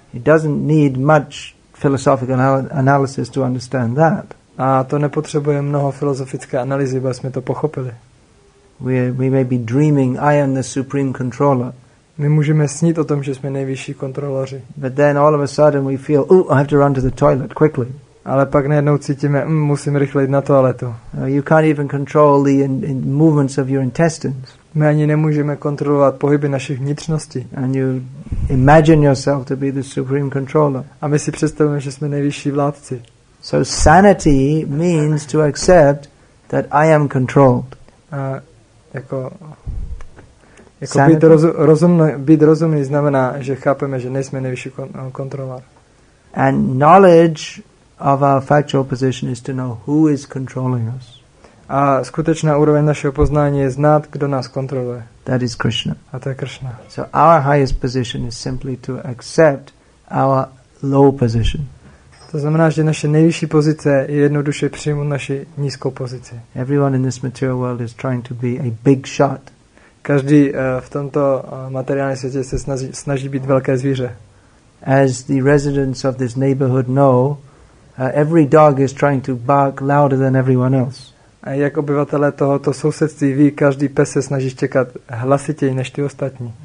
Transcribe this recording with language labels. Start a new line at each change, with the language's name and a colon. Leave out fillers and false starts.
English: It doesn't need much philosophical analysis to understand that.
Czech: A to nepotřebuje mnoho filozofické analýzy, aby jsme to pochopili.
English: We may be dreaming, I am the supreme controller.
Czech: My můžeme snít o tom, že jsme nejvyšší kontroloři.
English: But then all of a sudden we feel, oh, I have to run to the toilet quickly.
Czech: Ale pak najednou cítíme, musím rychle jít na toaletu.
English: You can't even control the movements of your intestines.
Czech: My ani nemůžeme kontrolovat pohyby našich vnitřností.
English: And you imagine yourself to be the supreme controller.
Czech: A my si představujeme, že jsme nejvyšší vládci.
English: So sanity means to accept that I am controlled.
Czech: A jako sanity? být rozumný znamená, že chápeme, že nejsme nejvyšší kontrolovat.
English: And knowledge of our factual position is to know who is controlling us.
Czech: A skutečná úroveň našeho poznání je znát, kdo nás kontroluje.
English: That is Krishna.
Czech: A to je Krishna.
English: So our highest position is simply to accept our low position.
Czech: To znamená, že naše nejvyšší pozice je jednoduše přijmout naši nízkou pozici.
English: Everyone in this material world is trying to be a big shot.
Czech: Každý v tomto materiálním světě se snaží být velké zvíře.
English: As the residents of this neighborhood know, every dog is trying to bark louder than everyone else.
Czech: A jak obyvatelé tohoto sousedství ví, každý pes se snaží štěkat hlasitěji než ty ostatní.